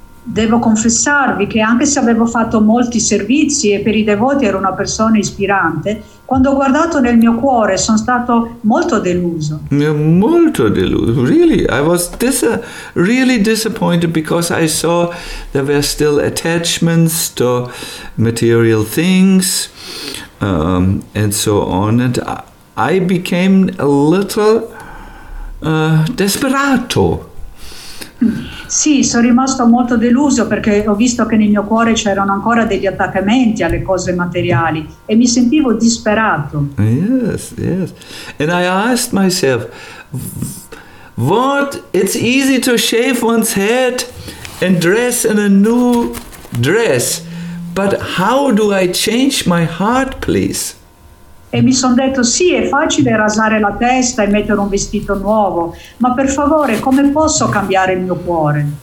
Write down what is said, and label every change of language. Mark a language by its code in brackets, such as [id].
[it] Devo confessarvi che anche se avevo fatto molti servizi e per i devoti ero una persona ispirante, quando ho guardato nel mio cuore sono stato molto deluso. Molto deluso, really. [en] I was really disappointed because I saw there were still attachments to material things and so on. And I became a little desperato. [it] Sì, sono rimasto molto deluso perché ho visto che nel mio cuore c'erano ancora degli attaccamenti alle cose materiali e mi sentivo disperato. [en] Yes, yes. And I asked myself, what? It's easy to shave one's head and dress in a new dress, but how do I change my heart, please? [it] E mi sono detto, sì, è facile rasare la testa e mettere un vestito nuovo, ma per favore, come posso cambiare il mio cuore?